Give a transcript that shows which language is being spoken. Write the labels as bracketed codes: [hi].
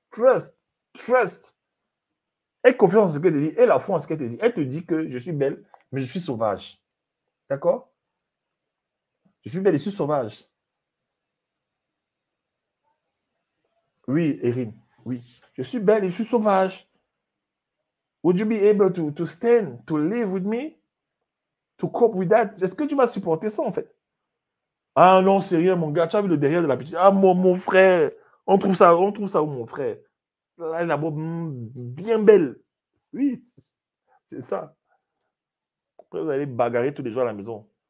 [en] Trust. [fr] Aie confiance en ce qu'elle te dit. Aie la foi en ce qu'elle te dit. Elle te dit que je suis belle, mais je suis sauvage. D'accord? Je suis belle et je suis sauvage. Oui, Erin. Oui. Je suis belle et je suis sauvage. [en] Would you be able to stand, to live with me? To cope with that? [fr] Est-ce que tu vas supporter ça, en fait? Ah non, c'est rien, mon gars. Tu as vu le derrière de la petite. Ah, mon frère. On trouve ça où, mon frère? Elle est d'abord bien belle. Oui, c'est ça. Après, vous allez bagarrer tous les jours à la maison.